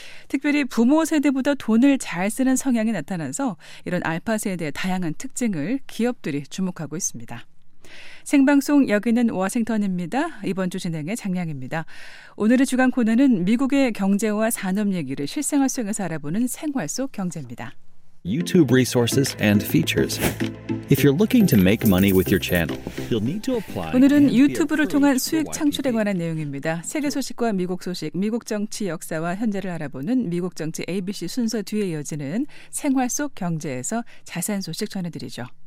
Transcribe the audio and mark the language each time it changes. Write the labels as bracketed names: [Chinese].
[Korean] 특별히 부모 세대보다 돈을 잘 쓰는 성향이 나타나서 이런 알파 세대의 다양한 특징을 기업들이 주목하고 있습니다. 생방송 여기는 워싱턴입니다. 이번 주 진행의 장량입니다. 오늘의 주간 코너는 미국의 경제와 산업 얘기를 실생활 속에서 알아보는 생활 속 경제입니다. [English] YouTube resources and features. If you're looking to make money with your channel, you'll need to apply. [Korean] 오늘은 유튜브를 통한 수익 창출에 관한 내용입니다. 세계 소식과 미국 소식, 미국 정치 역사와 현재를 알아보는 미국 정치 ABC 순서 뒤에 이어지는 생활 속 경제에서 자세한 소식 전해드리죠.